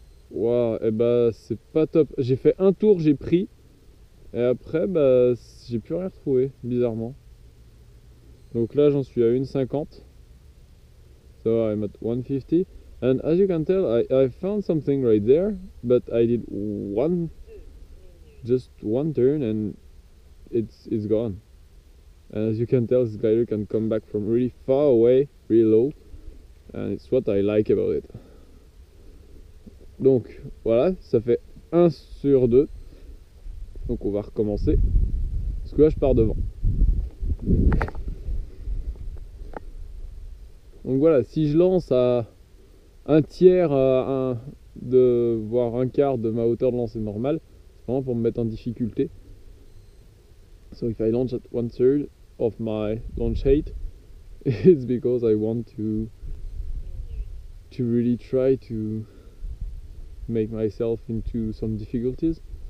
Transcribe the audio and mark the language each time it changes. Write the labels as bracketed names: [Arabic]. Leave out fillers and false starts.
[French] Waouh, et bah, c'est pas top. J'ai fait un tour, j'ai pris. Et après, bah, j'ai plus rien retrouvé, bizarrement. Donc là, j'en suis à 1,50. [English] So I'm at 150, and as you can tell, I found something right there, but I did just one turn, and it's gone. And as you can tell, this glider can come back from really far away, really low, and it's what I like about it. [French] Donc voilà, ça fait 1 sur 2. Donc on va recommencer. Parce que là, je pars devant. Donc voilà, si je lance à un tiers, voire un quart de ma hauteur de lancée normale, c'est vraiment pour me mettre en difficulté. [English] So if I launch at one third of my launch height, it's because I want to really try to make myself into some difficulties.